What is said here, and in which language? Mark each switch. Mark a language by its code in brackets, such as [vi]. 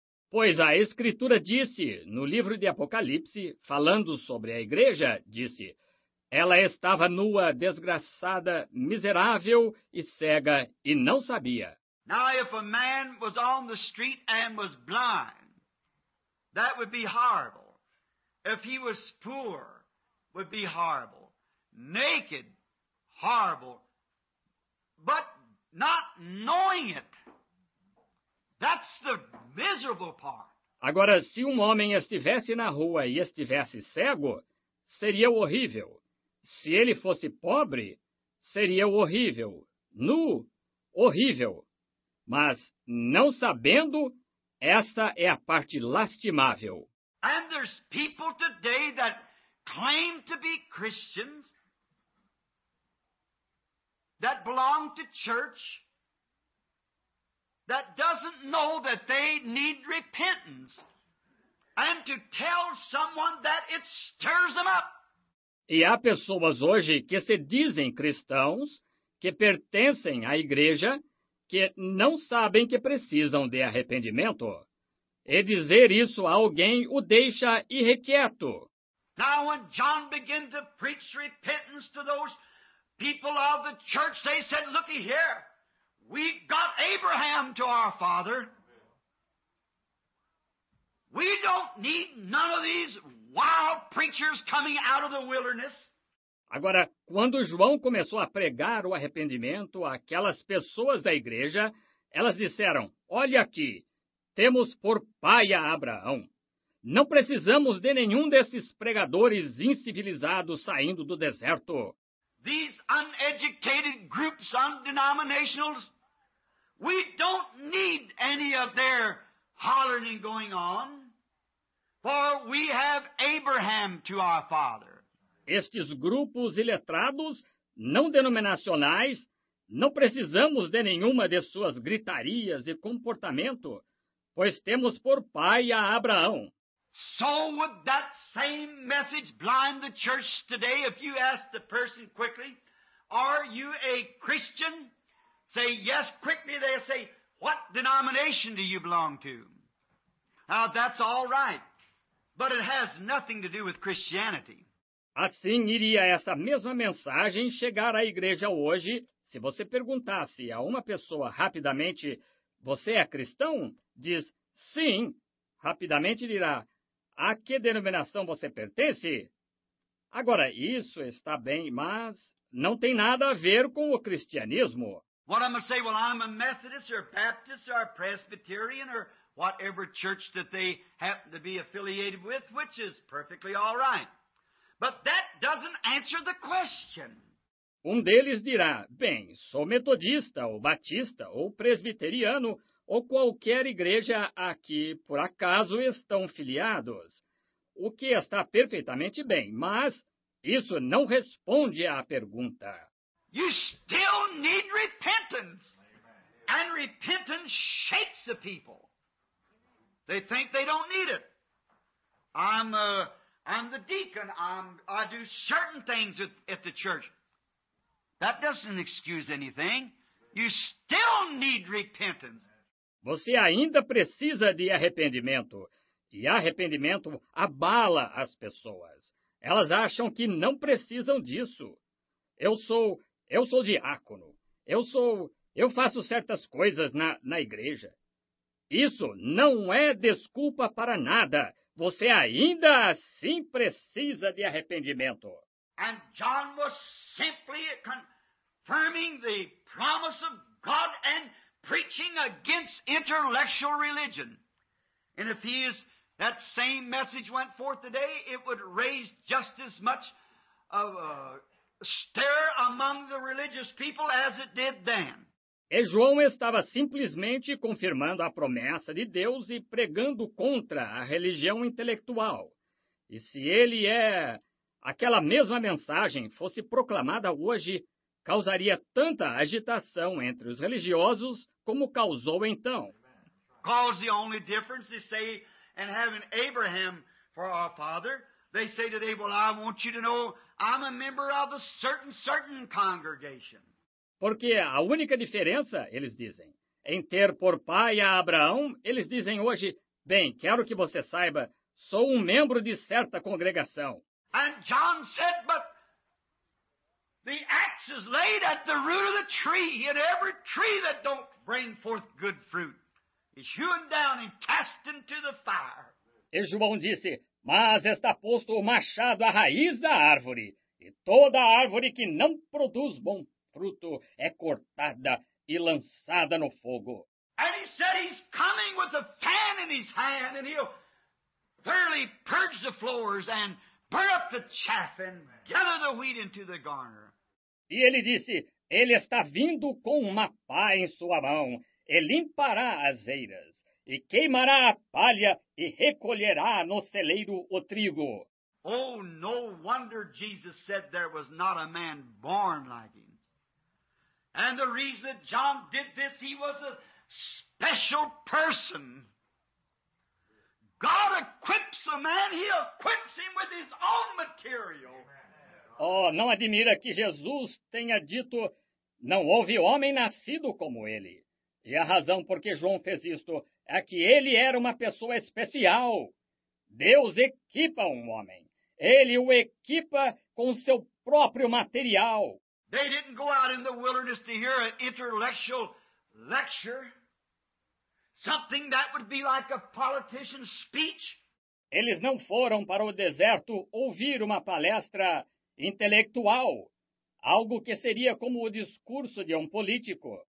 [pt] Pois a Escritura disse, no livro de Apocalipse, falando sobre a igreja, disse, ela estava nua, desgraçada, miserável e cega, e não sabia. [en] Now, if a man was on the street and was blind, that would be horrible. If he was poor, would be horrible. Naked, horrible, but not knowing it. That's the miserable part. [pt] Agora, se homem estivesse na rua e estivesse cego, seria horrível. Se ele fosse pobre, seria horrível. Nu, horrível. Mas não sabendo, essa é a parte lastimável. [en] And there's people today that claim to be Christians that belong to church, that doesn't know that they need repentance, and to tell someone that it stirs them up. [pt] E há pessoas hoje que se dizem cristãos, que pertencem à igreja, que não sabem que precisam de arrependimento. E dizer isso a alguém o deixa irrequieto. [en] Now when John began to preach repentance to those people of the church, they said, looky here, we got Abraham to our father. We don't need none of these wild preachers coming out of the wilderness. [pt] Agora, quando João começou a pregar o arrependimento àquelas pessoas da igreja, elas disseram, olha aqui, temos por pai a Abraão. Não precisamos de nenhum desses pregadores incivilizados saindo do deserto. [en] These uneducated groups on denominationals, we don't need any of their hollering going on, for we have Abraham to our father. [pt] Estes grupos iletrados, não denominacionais, não precisamos de nenhuma de suas gritarias e comportamento, pois temos por pai a Abraão. [en] So would that same message blind the church today if you asked the person quickly, are you a Christian? Say yes quickly, they say, what denomination do you belong to? Now that's all right, but it has nothing to do with Christianity. [pt] Assim iria essa mesma mensagem chegar à igreja hoje, se você perguntasse a uma pessoa rapidamente, você é cristão? Diz, sim. Rapidamente dirá, a que denominação você pertence? Agora, isso está bem, mas não tem nada a ver com o cristianismo. [en] What I'm going to say, well, I'm a Methodist or Baptist or Presbyterian or whatever church that they happen to be affiliated with, which is perfectly all right. But that doesn't answer the question. [pt] Um deles dirá, bem, sou metodista, ou batista, ou presbiteriano, ou qualquer igreja a que, por acaso, estão filiados. O que está perfeitamente bem, mas isso não responde à pergunta. [en] You still need repentance. And repentance shakes the people. They think they don't need it. I'm the deacon. I do certain things at the church. That doesn't excuse anything. You still need repentance. [pt] Você ainda precisa de arrependimento. E arrependimento abala as pessoas. Elas acham que não precisam disso. Eu sou diácono. Eu faço certas coisas na igreja. Isso não é desculpa para nada. Você ainda assim precisa de arrependimento. [en] And John was simply confirming the promise of God and preaching against intellectual religion. And if that same message went forth today, it would raise just as much of a stir among the religious people as it did then. [pt] E João estava simplesmente confirmando a promessa de Deus e pregando contra a religião intelectual. E se ele é aquela mesma mensagem fosse proclamada hoje, causaria tanta agitação entre os religiosos como causou então. [en] Cause the only difference they say and having Abraham for our father, they say today, well, I want you to know I'm a member of a certain congregation. [pt] Porque a única diferença, eles dizem, em ter por pai a Abraão, eles dizem hoje, bem, quero que você saiba, sou um membro de certa congregação. [en] And John said, but the axe is laid at the root of the tree, and every tree that don't bring forth good fruit is hewn down and cast into the fire. [pt] E João disse, mas está posto o machado à raiz da árvore, e toda árvore que não produz bom fruto é cortada e lançada no fogo. [en] And he said he's coming with a fan in his hand and he'll thoroughly purge the floors and burn up the chaff and gather the wheat into the garner. [pt] E ele disse, ele está vindo com uma pá em sua mão e limpará as eiras e queimará a palha e recolherá no celeiro o trigo. [en] Oh, no wonder Jesus said there was not a man born like him. And the reason that John did this, he was a special person. God equips a man, he equips him with his own material. [pt] Oh, não admira que Jesus tenha dito, não houve homem nascido como ele. E a razão por que João fez isto é que ele era uma pessoa especial. Deus equipa um homem. Ele o equipa com seu próprio material. [en] They didn't go out in the wilderness to hear an intellectual lecture, something that would be like a politician's speech. [pt] Eles não foram para o deserto ouvir uma palestra intelectual, algo que seria como o discurso de um político.